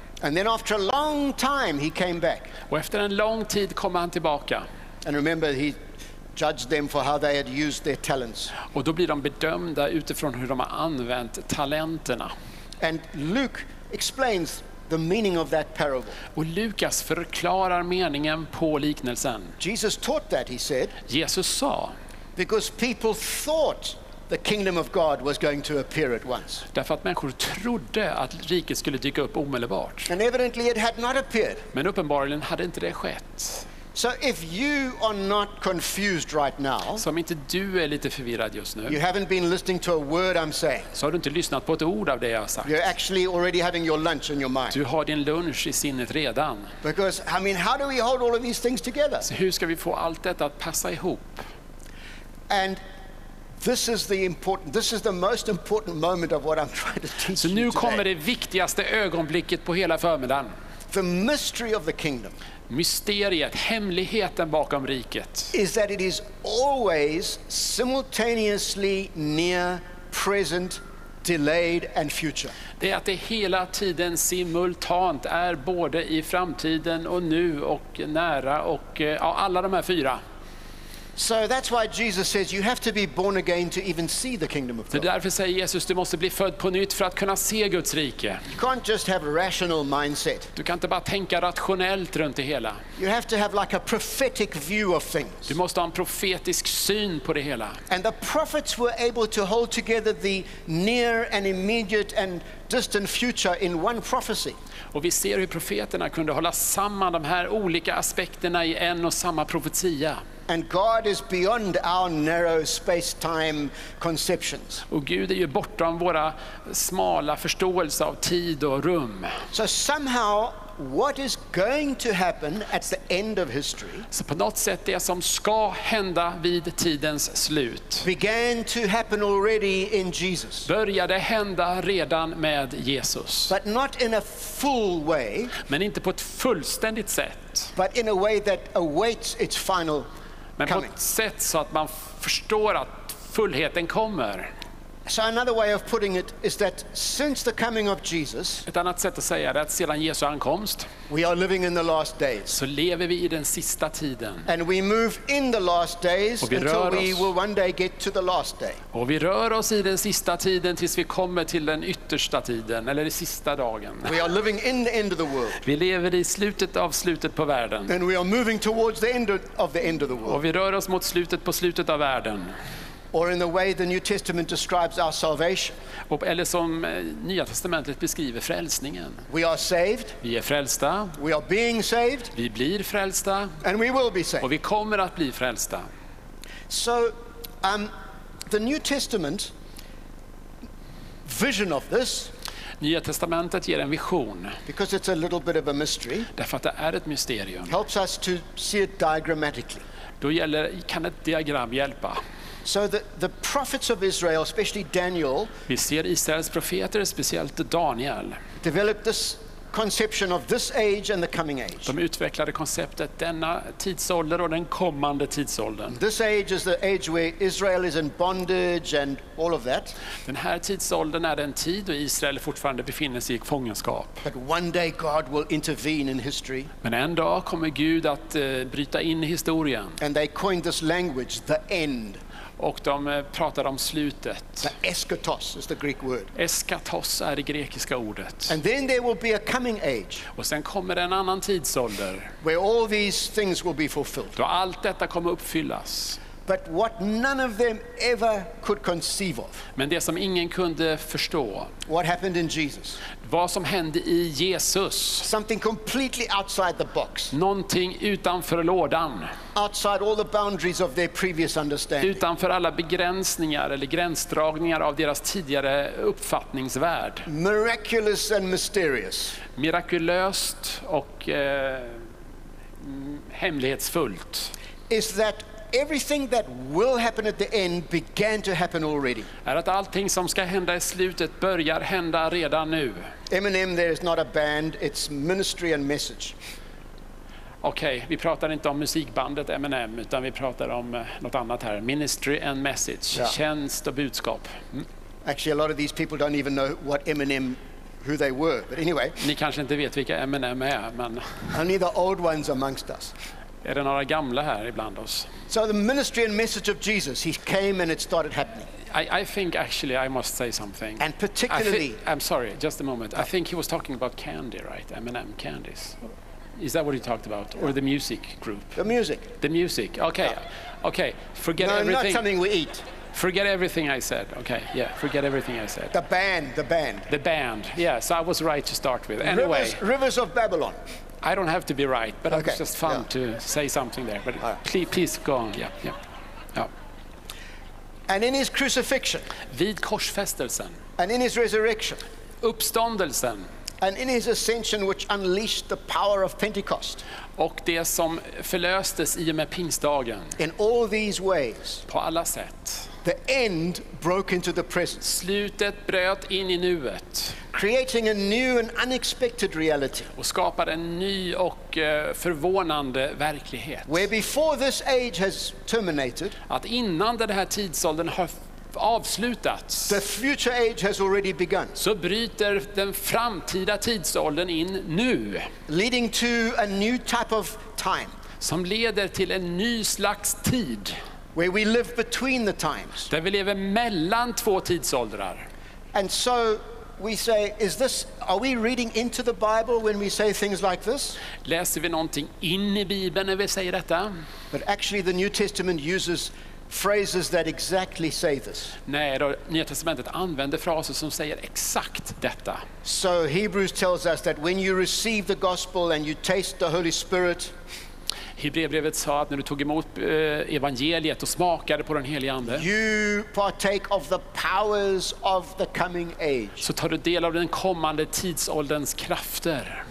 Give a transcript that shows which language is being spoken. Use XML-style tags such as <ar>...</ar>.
<en>And then after a long time he came back.</en> <sv>Och efter en lång tid kom han tillbaka.</sv> <en>And remember he judged them for how they had used their talents.</en> <sv>Och då blir de bedömda utifrån hur de har använt talenterna.</sv> <en>And Luke explains the meaning of that parable.</en> <sv>Och Lukas förklarar meningen på liknelsen.</sv> <en>Jesus taught that, he said.</en> <sv>Jesus sa.</sv> <en>Because people thought the kingdom of God was going to appear at once.</en> <sv>Därför att människor trodde att riket skulle dyka upp omedelbart.</sv> <en>And evidently it had not appeared.</en> <sv>Men uppenbarligen hade inte det skett.</sv> <en>So if you are not confused right now,</en> <sv>så om inte du är lite förvirrad just nu,</sv> <en>you haven't been listening to a word I'm saying.</en> <sv>Så har du inte lyssnat på ett ord av det jag har sagt.</sv> <en>You're actually already having your lunch in your mind.</en> <sv>Du har din lunch i sinnet redan.</sv> <en>Because I mean, how do we hold all of these things together?</en> <sv>Så hur ska vi få allt detta att passa ihop?</sv> <en>And this is the important. This is the most important moment of what I'm trying to teach you.</en> <sv>Så nu</sv> <en>you</en> <sv>kommer</sv> <en>today.</en> <sv>Det viktigaste ögonblicket på hela förmiddagen.</sv> <en>The mystery of the kingdom.</en> <sv>Mysteriet, hemligheten bakom riket.</sv> <en>Is that it is always simultaneously near, present, delayed and future.</en> <sv>Det är att det hela tiden simultant är både i framtiden och nu och nära och ja, alla de här fyra.</sv> <en>So that's why Jesus says you have to be born again to even see the kingdom of God.</en> <sv>Det är därför säger Jesus du måste bli född på nytt för att kunna se Guds rike.</sv> <en>You can't just have a rational mindset.</en> <sv>Du kan inte bara tänka rationellt runt det hela.</sv> <en>You have to have like a prophetic view of things.</en> <sv>Du måste ha en profetisk syn på det hela.</sv> <en>And the prophets were able to hold together the near and immediate and distant future in one prophecy.</en> <sv>Och vi ser hur profeterna kunde hålla samman de här olika aspekterna i en och samma profetia.</sv> <en>And God is beyond our narrow space-time conceptions.</en> <sv>Och Gud är ju bortom våra smala förståelse av tid och rum.</sv> <en>So somehow what is going to happen at the end of history?</en> <sv>Så på något sätt det som ska hända vid tidens slut.</sv> <en>Began to happen already in Jesus.</en> <sv>Började hända redan med Jesus.</sv> <en>But not in a full way.</en> <sv>Men inte på ett fullständigt sätt.</sv> <en>But in a way that awaits its final</en> <sv>Men på ett sätt så att man förstår att fullheten kommer.</sv> <en>So another way of putting it is that since the coming of Jesus,</en> <sv>ett annat sätt att säga det är att sedan Jesu ankomst,</sv> <en>we are living in the last days.</en> <sv>Så lever vi i den sista tiden.</sv> <en>And we move in the last days until we will one day get to the last day.</en> <sv>Och vi rör oss i den sista tiden tills vi kommer till den yttersta tiden eller den sista dagen.</sv> <en>We are living in the end of the world.</en> <sv>Vi lever i slutet av slutet på världen.</sv> <en>And we are moving towards the end of the end of the world.</en> <sv>Och vi rör oss mot slutet på slutet av världen.</sv> <en>Or in the way the New Testament describes our salvation.</en> <sv>Eller som Nya testamentet beskriver frälsningen.</sv> <en>We are saved.</en> <sv>Vi är frälsta.</sv> <en>We are being saved.</en> <sv>Vi blir frälsta.</sv> <en>And we will be saved.</en> <sv>Och vi kommer att bli frälsta.</sv> <en>So, the New Testament vision of this.</en> <sv>Nya testamentet ger en vision.</sv> <en>Because it's a little bit of a mystery.</en> <sv>Därför att det är ett mysterium.</sv> <en>Helps us to see it diagrammatically.</en> <sv>Då gäller kan ett diagram hjälpa.</sv> <en>So the prophets of Israel, especially Daniel,</en> <sv>vi ser Israels profeter, speciellt Daniel,</sv> <en>developed this conception of this age and the coming age.</en> <sv>De utvecklade konceptet denna tidsålder och den kommande tidsåldern.</sv> <en>This age is the age where Israel is in bondage and all of that.</en> <sv>Den här tidsåldern är den tid då Israel fortfarande befinner sig i fångenskap.</sv> <en>But one day God will intervene in history.</en> <sv>Men en dag kommer Gud att bryta in i historien.</sv> <en>And they coined this language, the end.</en> <sv>Och de pratar om slutet.</sv> <en>The eschatos is the Greek word.</en> <sv>Eschatos är det grekiska ordet.</sv> <en>And then there will be a coming age.</en> <sv>Och sen kommer en annan tidsålder.</sv> <en>Where all these things will be fulfilled.</en> <sv>Då allt detta kommer uppfyllas.</sv> <en>But what none of them ever could conceive of.</en> <sv>Men det som ingen kunde förstå.</sv> <en>What happened in Jesus?</en> <sv>Vad som hände i Jesus?</sv> <en>Something completely outside the box.</en> <sv>Någonting utanför lådan.</sv> <en>Outside all the boundaries of their previous understanding.</en> <sv>Utanför alla begränsningar eller gränsdragningar av deras tidigare uppfattningsvärld.</sv> <en>Miraculous and mysterious.</en> <sv>Mirakulöst och hemlighetsfullt.</sv> <en>Is that everything that will happen at the end began to happen already.</en> <sv>Är att allting som ska hända i slutet börjar hända redan nu.</sv> <en>Eminem, there is not a band, it's ministry and message.</en> <sv>Okej, vi pratar inte om musikbandet Eminem utan vi pratar om något annat här,</sv> <en>ministry and message, yeah.</en> <sv>Tjänst och budskap.</sv> <en>Actually a lot of these people don't even know what Eminem who they were, but anyway.</en> <sv>Ni kanske inte vet vilka Eminem är, men</sv> <en>only the old ones amongst us.</en> <sv>Är det några gamla här ibland oss?</sv> <en>So the ministry and message of Jesus, he came and it started happening. I think actually I must say something. And particularly, I'm sorry, just a moment. I think he was talking about candy, right? M&M candies. Is that what he talked about? Yeah. Or the music group? The music. The music. Okay. Yeah. Okay. Forget no, everything. No, not something we eat. Forget everything I said. Okay. Yeah. Forget everything I said. The band. Yeah. So I was right to start with. Anyway. Rivers of Babylon. I don't have to be right, but okay. It's just fun to say something there. But please go on. Yeah. And in his crucifixion.</en> <sv>Vid korsfästelsen.</sv> <en>And in his resurrection.</en> <sv>Uppståndelsen.</sv> <en>And in his ascension, which unleashed the power of Pentecost.</en> <sv>Och det som förlöstes i och med pingstdagen.</sv> <en>In all these ways.</en> <sv>På alla sätt.</sv> <en>The end broke into the present.</en> <sv>Slutet bröt in i nuet.</sv> <en>Creating a new and unexpected reality.</en> <sv>Och skapar en ny och förvånande verklighet.</sv> <en>Where before this age has terminated.</en> <sv>Att innan den här tidsåldern har avslutats.</sv> <en>The future age has already begun.</en> <sv>Så bryter den framtida tidsåldern in nu.</sv> <en>Leading to a new type of time.</en> <sv>Som leder till en ny slags tid.</sv> <en>Where we live between the times.</en> <sv>Där vi lever mellan två tidsåldrar.</sv> <en>And so we say, is this, are we reading into the Bible when we say things like this?</en> <sv>Läser vi någonting in i Bibeln när vi säger detta?</sv> <en>But actually the New Testament uses phrases that exactly say this.</en> <sv>Nej, då, Nya testamentet använder fraser som säger exakt detta.</sv> <en>So Hebrews tells us that when you receive the gospel and you taste the Holy Spirit.</en> <sv>Hebreerbrevet sa att när du tog emot evangeliet och smakade på den helige ande.</sv> <en>You partake of the powers of the coming age.</en> <sv>Så tar du del av den kommande tidsålderns krafter.</sv>